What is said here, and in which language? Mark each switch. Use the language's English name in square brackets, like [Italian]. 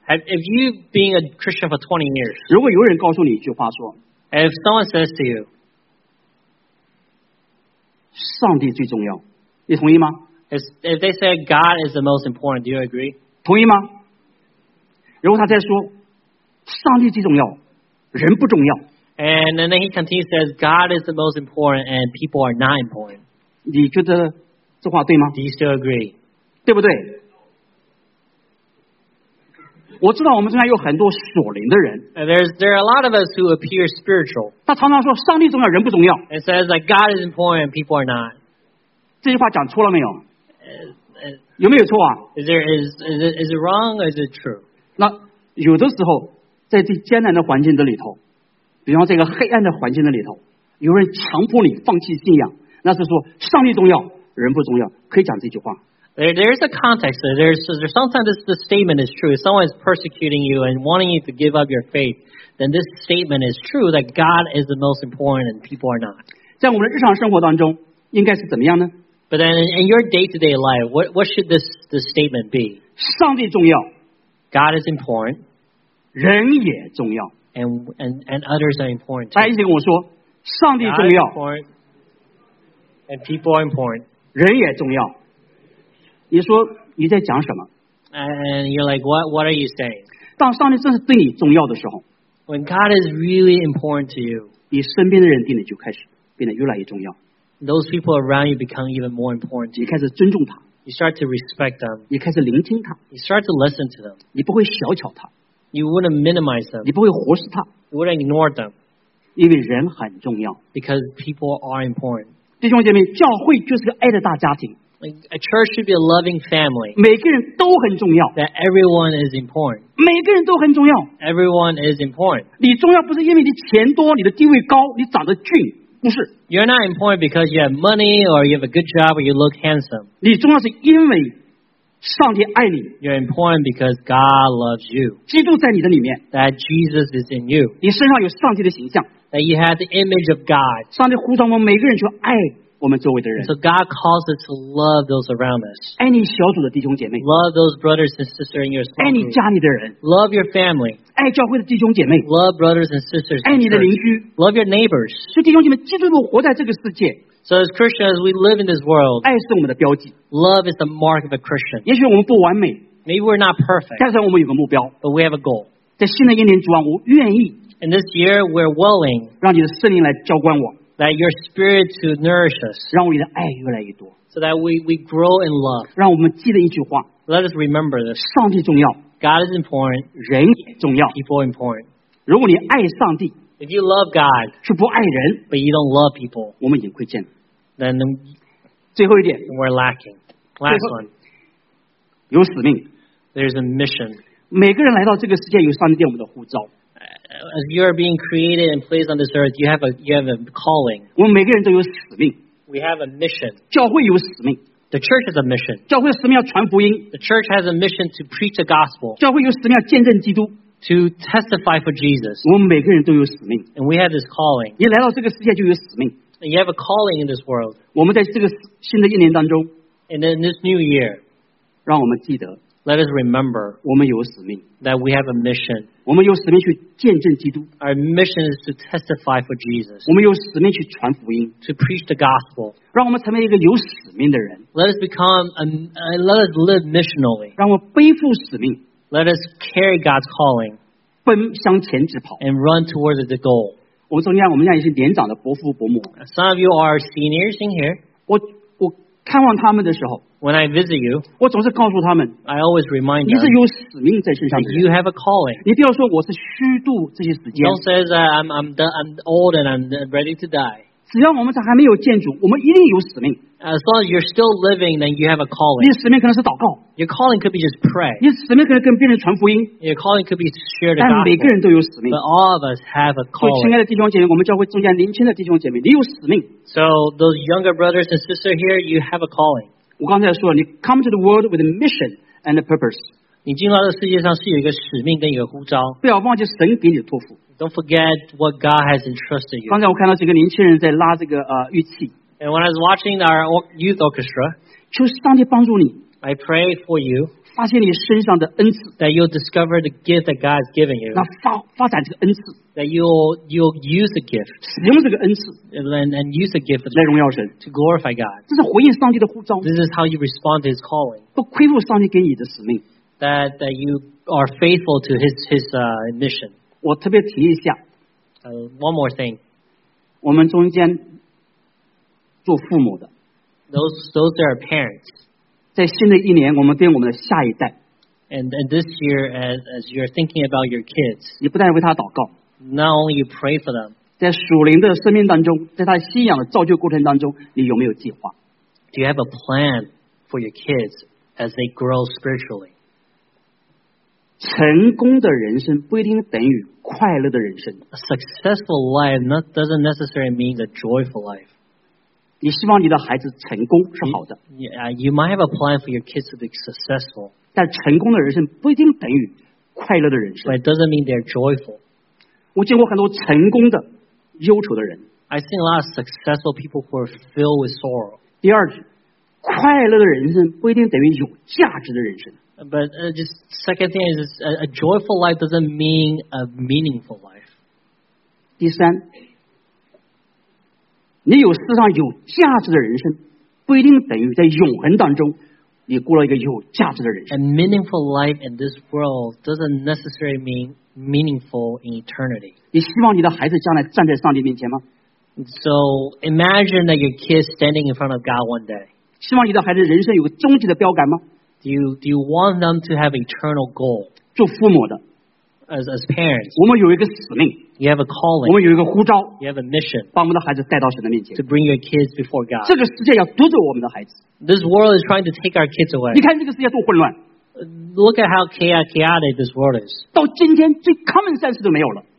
[English] Have you been a Christian for 20 years? [Chinese] 如果有人告诉你一句话说。 [English] If someone says to you. [Chinese] 上帝最重要。你同意吗？ [English] If they say God is the most important, do you agree? [Chinese] 同意吗？如果他再说，上帝最重要，人不重要。 [English] And then he continues says God is the most important and people are not important. [Chinese] 你觉得这话对吗？ [English] Do you still agree? [Chinese] 对不对？我知道我们中间有很多属灵的人。 [English] There are a lot of us who appear spiritual. [Chinese] 他常常说上帝重要，人不重要。 [English] It says that God is important and people are not. [Chinese] 这句话讲错了没有？有没有错啊 [English] is it wrong or is it true [Chinese] 那有的时候在这艰难的环境的里头比方这个黑暗的环境的里头有人强迫你放弃信仰那是说上帝重要，人不重要，可以讲这句话。 [English] There is a context. There's sometimes the statement is true. If someone is persecuting you and wanting you to give up your faith, then this statement is true that God is the most important and people are not. [Chinese] 在我们的日常生活当中，应该是怎么样呢？ [English] But then in your day-to-day life, what should this statement be? [Chinese] 上帝重要。 [English] God is important. [Chinese] 人也重要。 [English] And others are important. [Chinese] 大家一起跟我说，上帝重要。 [English] God is important. And people are important. [Chinese] 人也重要。你说你在讲什么 [English] ？And you're like, what are you saying? [Chinese] 当上帝真是对你重要的时候 [English] ，When God is really important to you, [Chinese] 你身边的人变得就开始变得越来越重要。 [English] Those people around you become even more important. [Chinese] 你开始尊重他 [English] ，You start to respect them. [Chinese] 你开始聆听他 [English] ，You start to listen to them. [Chinese] 你不会小瞧他 [English] ，You wouldn't minimize them. [Chinese] 你不会忽视他 [English] ，You wouldn't ignore them. [Chinese] 因为人很重要 [English] ，Because people are important. [Chinese] 弟兄姐妹，教会就是个爱的大家庭。 [English] A church should be a loving family. [Chinese] 每个人都很重要。 [English] That everyone is important. [Chinese] 每个人都很重要。 [English] Everyone is important. [Chinese] 你重要不是因为你钱多，你的地位高，你长得俊，不是。 [English] You're not important because you have money or you have a good job or you look handsome. [Chinese] 你重要是因为上帝爱你。 [English] You're important because God loves you. [Chinese] 基督在你的里面。 [English] That Jesus is in you. [Chinese] 你身上有上帝的形象。 [English] That you have the image of God. [Chinese] 上帝呼召我们每个人去爱。我们周围的人 [English] So God calls us to love those around us. [Chinese] 爱你小组的弟兄姐妹 [English] Love those brothers and sisters in your family. [Chinese] 爱你家里的人 [English] Love your family. [Chinese] 爱教会的弟兄姐妹 [English] Love brothers and sisters. [Chinese] 爱你的邻居 [English] Love your neighbors. [Chinese] 所以弟兄姐妹，基督徒活在这个世界 [English] So as Christians, we live in this world. [Chinese] 爱是我们的标记 [English] Love is the mark of a Christian. [Chinese] 也许我们不完美 [English] Maybe we're not perfect. [Chinese] 但是我们有个目标 [English] But we have a goal. [Chinese] 在新的一年，主啊，我愿意 [English] In this year, we're willing. [Chinese] 让你的圣灵来浇灌我。 [English] That your spirit to nourish us. [Chinese] 让我们的爱越来越多。 [English] So that we grow in love. [Chinese] 让我们记得一句话。 [English] Let us remember this. [Chinese] 上帝重要。 [English] God is important. [Chinese] 人也重要。 [English] People are important. [Chinese] 如果你爱上帝。 [English] If you love God. [Chinese] 却不爱人。 [English] But you don't love people. [Chinese] 我们已经亏欠 [English] 了。Then. [Chinese] 最后一点。 [English] We're lacking. Last one. [Chinese] 有使命。 [English] There's a mission. [Chinese] 每个人来到这个世界有上帝给我们的呼召。 [English] As you are being created and placed on this earth, you have a calling. [Chinese] 我们每个人都有使命。 [English] We have a mission. [Chinese] 教会有使命。 [English] The church has a mission. [Chinese] 教会有使命要传福音。 [English] The church has a mission to preach the gospel. [Chinese] 教会有使命要见证基督。 [English] To testify for Jesus. [Chinese] 我们每个人都有使命。 [English] And we have this calling. [Chinese] 你来到这个世界就有使命。 [English] And you have a calling in this world. [Chinese] 我们在这个新的一年当中。 [English] And in this new year. [Chinese] 让我们记得。 [English] Let us remember [Chinese] 我们有使命 [English] that we have a mission. [Chinese] 我们有使命去见证基督 [English] Our mission is to testify for Jesus. [Chinese] 我们有使命去传福音 [English] to preach the gospel. [Chinese] 让我们成为一个有使命的人 [English] Let us become let us live missionally. [Chinese] 让我们背负使命 [English] Let us carry God's calling. [Chinese] 奔向前直跑 [English] and run towards the goal. [Chinese] 我们家一些年长的伯父伯母 [English] Some of you are seniors in here. [Chinese] 我看望他们的时候 [English] When I visit you, [Chinese] 我总是告诉他们 [English] I always remind them, [Chinese] 你是有使命在身上的 [English] You have a calling. [Chinese] 你不要说我是虚度这些时间 [English] Don't say that I'm old and I'm ready to die. [Chinese] 只要我们还没有建筑我们一定有使命 [English] As long as you're still living, then you have a calling. [Chinese] 你的使命可能是祷告 [English] Your calling could be just pray. [Chinese] 你的使命可能跟别人传福音 [English] Your calling could be to share the [Chinese] gospel. 但每个人都有使命 [English] But all of us have a calling. [Chinese] 所以亲爱的弟兄姐妹我们教会中间年轻的弟兄姐妹你有使命 [English] So those younger brothers and sisters here, you have a calling. [Chinese] 我刚才说你 [English] come to the world with a mission and a purpose. [Chinese] 你进到这世界上是有一个使命跟一个呼召不要忘记神给你的托付 [English] Don't forget what God has entrusted you. [Chinese] 刚才我看到几个年轻人在拉这个玉器 [English] And when I was watching our youth orchestra, [Chinese] 求上帝帮助你 [English] I pray for you, [Chinese] 发现你身上的恩赐 [English] that you'll discover the gift that God has given you, [Chinese] 那发展这个恩赐 [English] that you'll use the gift, [Chinese] 使用这个恩赐 [English] and use the gift [Chinese] 来荣耀神 [English] to glorify God. [Chinese] 这是回应上帝的呼召 [English] This is how you respond to His calling. [Chinese] 不亏负上帝给你的使命 [English] that you are faithful to His mission. [Chinese] 我特别提一下 [English] one more thing. [Chinese] 我们中间做父母的 [English] those that are parents [Chinese] 在新的一年我们对我们的下一代 [English] and this year as you're thinking about your kids [Chinese] 你不但为他祷告 [English] now you pray for them [Chinese] 在属灵的生命当中在他信仰的造就过程当中你有没有计划 [English] do you have a plan for your kids as they grow spiritually [Chinese] 成功的人生不一定等于快乐的人生 [English] a successful life doesn't necessarily mean a joyful life [Chinese] 你希望你的孩子成功是好的。 [English] You might have a plan for your kids to be successful. [Chinese] 但成功的人生不一定等于快乐的人生。 [English] But it doesn't mean they're joyful. [Chinese] 我见过很多成功的忧愁的人。 [English] I've seen a lot of successful people who are filled with sorrow. [Chinese] 第二句，快乐的人生不一定等于有价值的人生。 [English] But just second thing is a joyful life doesn't mean a meaningful life. [Chinese] 第三，你有世上有价值的人生，不一定等于在永恒当中你过了一个有价值的人生。 [English] A meaningful life in this world doesn't necessarily mean meaningful in eternity. [Chinese] 你希望你的孩子将来站在上帝面前吗？ [English] So imagine that your kid standing in front of God one day. [Chinese] 希望你的孩子人生有个终极的标杆吗？ [English] Do you want them to have eternal goal? [Chinese] 做父母的 [English] as parents, [Chinese] 我们有一个使命 [English] you have a calling, [Chinese] 我们有一个呼召 [English] you have a mission, [Chinese] 把我们的孩子带到神的面前 [English] to bring your kids before God. [Chinese] 这个世界要夺走我们的孩子 [English] This world is trying to take our kids away. [Chinese] 你看这个世界多混乱 [English] Look at how chaotic this world is. [Chinese] 到今天最 common sense 都没有了